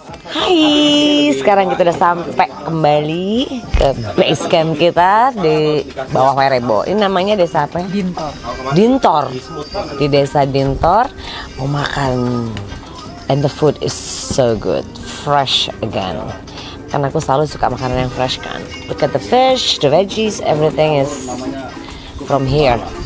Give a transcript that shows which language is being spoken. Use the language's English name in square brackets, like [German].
[Indonesian] Hai, sekarang kita udah sampai kembali ke base camp kita di bawah Werebo. Ini namanya desa apa? Dintor. Dintor. Di desa Dintor mau makan, [English] and the food is so good, fresh again. [Indonesian] Karena aku selalu suka makanan yang fresh kan. [English] Look at the fish, the veggies, everything is from here.